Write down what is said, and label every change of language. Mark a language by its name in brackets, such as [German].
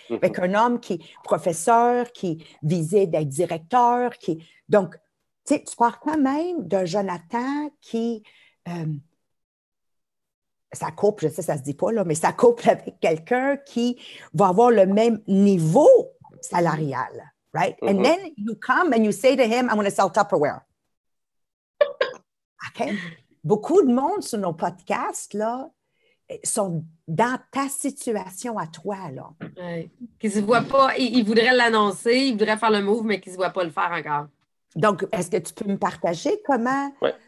[French] Avec un homme qui est professeur, qui visait d'être directeur. Qui... Donc, tu sais, tu parles quand même de Jonathan qui, ça couple, je sais, ça se dit pas, là, mais ça couple avec quelqu'un qui va avoir le même niveau salarial. [English] Right? Mm-hmm. And then you come and you say to him, I want to sell Tupperware. OK? [French] Beaucoup de monde sur nos podcasts, là, sont dans ta situation à toi, là. Ouais. Qu'ils ne se voient pas, ils voudraient l'annoncer, ils voudraient faire le move, mais qu'ils ne se voient pas le faire encore. Donc, est-ce que tu peux me partager comment ouais.